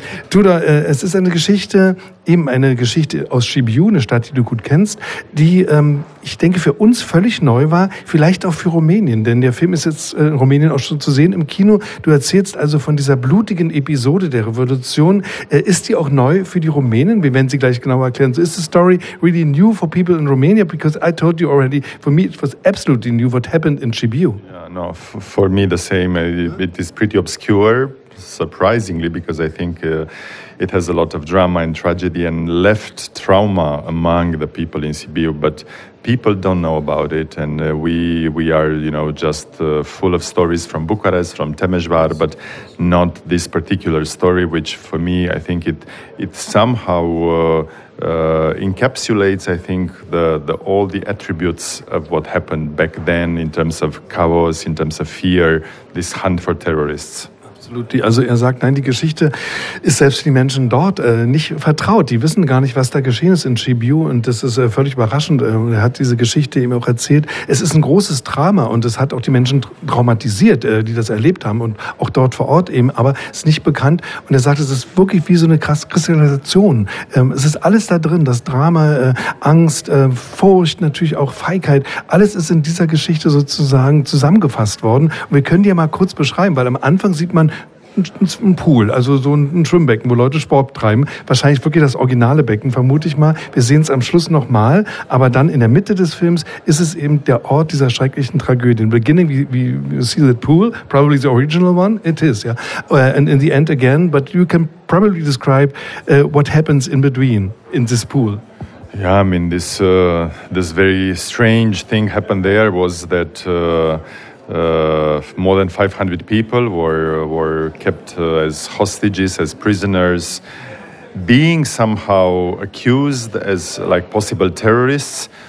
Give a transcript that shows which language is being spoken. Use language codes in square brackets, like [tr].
[de] Tudor, es ist eine Geschichte, eben eine Geschichte aus Sibiu, eine Stadt, die du gut kennst, die, ich denke, für uns völlig neu war, vielleicht auch für Rumänien, denn der Film ist jetzt in Rumänien auch schon zu sehen im Kino. Du erzählst also von dieser blutigen Episode der Revolution. Ist die auch neu für die Rumänen? Wir werden sie gleich genauer erklären. [en] So, is the story really new for people in Romania? Because I told you already, for me it was absolutely new what happened in Sibiu. No, for me the same. It is pretty obscure, surprisingly, because I think it has a lot of drama and tragedy and left trauma among the people in Sibiu, but people don't know about it, and we are, you know, just full of stories from Bucharest, from Temeswar, but not this particular story, which for me, I think it somehow encapsulates, I think, the all the attributes of what happened back then in terms of chaos, in terms of fear, this hunt for terrorists. [de] Also er sagt, nein, die Geschichte ist selbst die Menschen dort nicht vertraut. Die wissen gar nicht, was da geschehen ist in Sibiu. Und das ist völlig überraschend. Er hat diese Geschichte eben auch erzählt. Es ist ein großes Drama und es hat auch die Menschen traumatisiert, die das erlebt haben. Und auch dort vor Ort eben, aber es ist nicht bekannt. Und er sagt, es ist wirklich wie so eine krasse Kristallisation. Es ist alles da drin, das Drama, Angst, Furcht, natürlich auch Feigheit. Alles ist in dieser Geschichte sozusagen zusammengefasst worden. Und wir können die ja mal kurz beschreiben, weil am Anfang sieht man ein Pool, also so ein Schwimmbecken, wo Leute Sport treiben. Wahrscheinlich wirklich das originale Becken, vermute ich mal. Wir sehen es am Schluss nochmal, aber dann in der Mitte des Films ist es eben der Ort dieser schrecklichen Tragödie. [en] In beginning, we see the pool, probably the original one. It is, yeah. And in the end again, but you can probably describe what happens in between in this pool. Yeah, I mean, this very strange thing happened there was that more than 500 people were kept as hostages, as prisoners, being somehow accused as like possible terrorists.